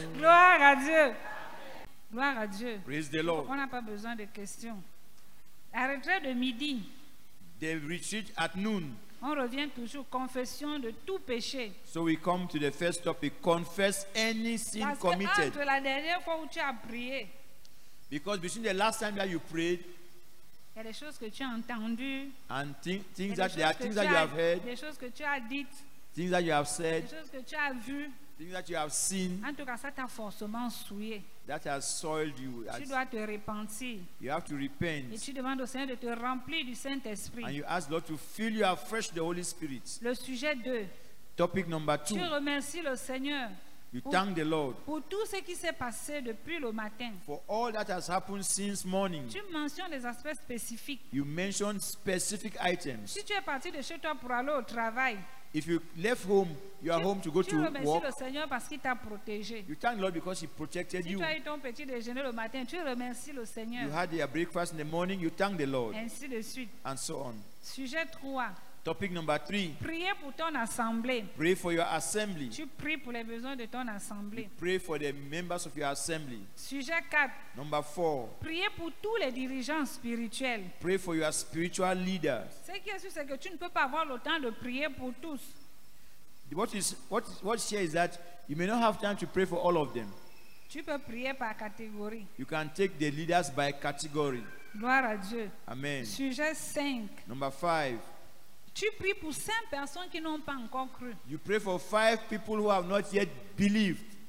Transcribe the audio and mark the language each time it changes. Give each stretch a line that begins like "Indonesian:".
French: Gloire à Dieu. Gloire à Dieu.
English: Praise the Lord.
French: On n'a pas besoin de questions. À retrait de midi.
English: They retreat at noon.
French: On revient toujours confession de tout péché.
English: So we come to the first topic, confess any sin committed.
French: Parce que entre la dernière fois où tu as prié.
English: Because between the last time that you prayed.
French: Il y a des choses que tu as entendues.
English: And things that there are things that you have heard.
French: Des choses que tu as dites.
English: Things that you have said.
French: Des choses que tu as vues.
English: Things that you have seen.
French: En tout cas, ça t'a forcément souillé.
English: That has soiled you.
French: Tu dois te repentir.
English: You have to repent.
French: Et tu demandes au Seigneur de te remplir du Saint-Esprit.
English: And you ask the Lord to fill you afresh the Holy Spirit.
French: Le sujet 2.
English: Topic number 2.
French: Tu remercies le Seigneur.
English: You thank the Lord.
French: Pour tout ce qui s'est passé depuis le matin.
English: For all that has happened since morning.
French: Tu mentionnes les aspects spécifiques.
English: You mention specific items.
French: Si tu es parti de chez toi pour aller au travail.
English: If you left home, you are home to go to work.
French: Tu remercies le Seigneur parce qu'il t'a protégé.
English: You thank the Lord because He protected you.
French: Si tu as eu ton petit déjeuner le matin, tu remercies le Seigneur.
English: You had your breakfast in the morning, you thank the Lord.
French: Ainsi de suite.
English: And so on.
French: Sujet 3.
English: Topic number 3.
French: Prier pour ton assemblée.
English: Pray for your assembly.
French: Tu pries pour les besoins de ton assemblée.
English: You pray for the members of your assembly.
French: Sujet 4.
English: Number 4.
French: Prier pour tous les dirigeants spirituels.
English: Pray for your spiritual leaders.
French: Ce qui est sûr, c'est que tu ne peux pas avoir le temps de prier pour tous.
English: What here is that you may not have time to pray for all of them.
French: Tu peux prier par catégorie.
English: You can take the leaders by category.
French: Gloire à Dieu.
English: Amen.
French: Sujet 5.
English: Number 5.
French: Tu pries pour 5 personnes qui n'ont pas encore cru.
English: You pray for 5 people who have not yet believed.